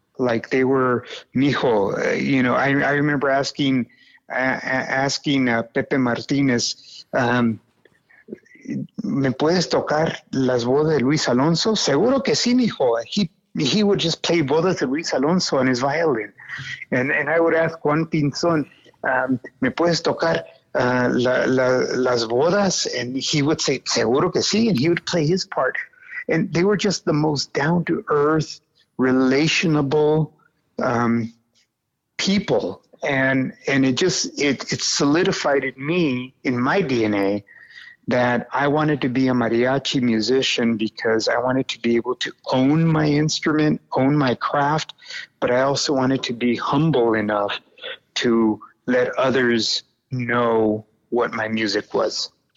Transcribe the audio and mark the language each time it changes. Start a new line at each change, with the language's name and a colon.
English: Like they were, mijo, you know, I remember asking Pepe Martinez,
Spanish: ¿me puedes tocar las bodas de Luis Alonso? Seguro que sí, mijo.
English: He would just play bodas de Luis Alonso on his violin. And I would ask Juan Pinzón,
Spanish: ¿me puedes tocar las bodas?
English: And he would say,
Spanish: seguro que sí.
English: And he would play his part. And they were just the most down-to-earth, relationable people. And it just, it solidified in me, in my DNA, that I wanted to be a mariachi musician because I wanted to be able to own my instrument, own my craft, but I also wanted to be humble enough to let others know what my music was.